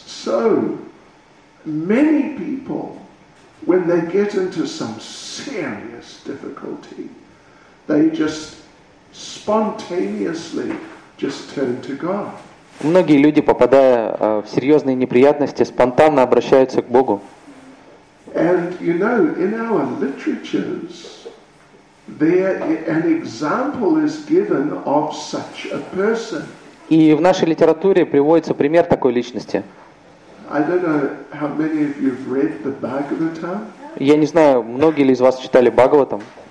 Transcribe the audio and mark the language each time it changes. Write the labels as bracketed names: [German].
[English] So many people, when they get into some serious difficulty, they just spontaneously just turn to God. [Russian] Многие люди, попадая в серьезные неприятности, спонтанно обращаются к Богу. [English] And you know, in our literatures, there an example is given of such a person. [Russian] И в нашей литературе приводится пример такой личности. Я не знаю, многие ли из вас читали Бхагаватам.